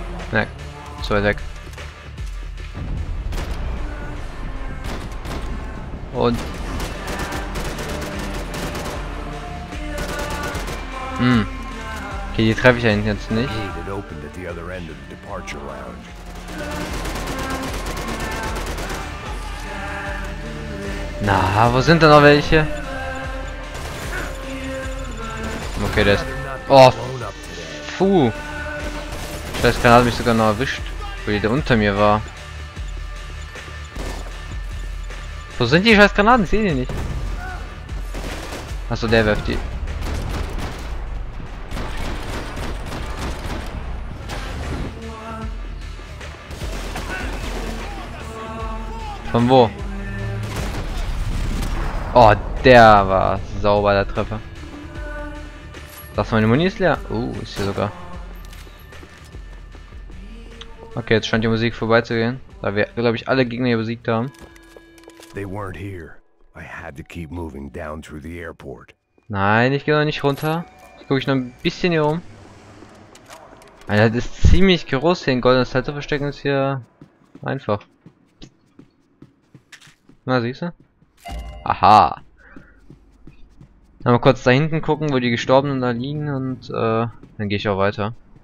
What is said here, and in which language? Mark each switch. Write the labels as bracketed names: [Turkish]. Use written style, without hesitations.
[German] Ne, zu weit weg. Und. Okay, die treffe ich ja hinten jetzt nicht. [English] Opened at the other end of the departure lounge. [German] Na, wo sind denn noch welche? Okay, der ist. Oh! Puh! Scheiß Granate hat mich sogar noch erwischt, wo der unter mir war. Wo sind die scheiß Granaten? Ich sehe die nicht. Achso, der wirft die. Von wo? Oh, der war sauber, der Treffer. Das meine Muni ist leer. Ist hier sogar. Okay, jetzt scheint die Musik vorbeizugehen, da wir, glaube ich, alle Gegner hier besiegt haben. [English] They weren't here. I had to keep moving down through the airport. [German] Nein, ich gehe noch nicht runter. Ich gucke mich noch ein bisschen hier um. Alter, das ist ziemlich groß hier. Ein goldenes Teil zu verstecken ist hier einfach. Na, siehst du? Aha. Dann mal kurz da hinten gucken, wo die Gestorbenen da liegen und dann gehe ich auch weiter.